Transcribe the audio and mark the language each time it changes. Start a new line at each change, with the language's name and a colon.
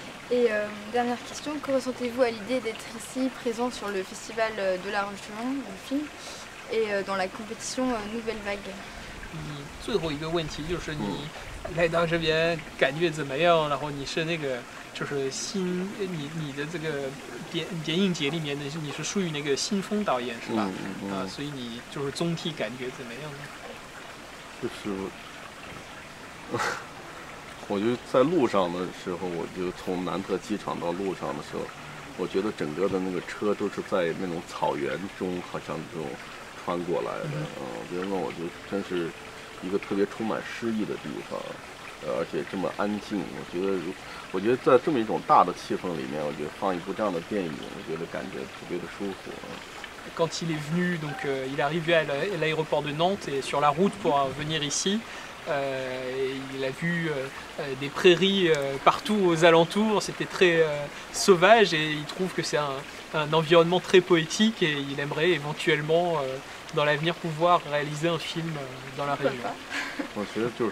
French: Et dernière question, que ressentez-vous à l'idée d'être ici présent sur le festival de la Rochefoucauld, du film, et dans la compétition Nouvelle Vague ?
Chinese: 最后一个问题就是你来到这边感觉怎么样？然后你是那个就是新你的这个电影节里面的，你是属于那个新风导演是吧？所以你就是总体感觉怎么样呢？就是。我就在路上的时候，我就从南特机场到路上的时候，我觉得整个的那个车都是在那种草原中好像这种穿过来的，嗯，觉得那我就真是一个特别充满诗意的地方，而且这么安静，我觉得在这么一种大的气氛里面，我觉得放一部这样的电影，我觉得感觉特别的舒服。
French: Quand il est venu, donc il est arrivé à l'aéroport de Nantes et sur la route pour venir ici, il a vu des prairies partout aux alentours, c'était très sauvage et il trouve que c'est un environnement très poétique et il aimerait éventuellement dans l'avenir pouvoir réaliser un film dans la région.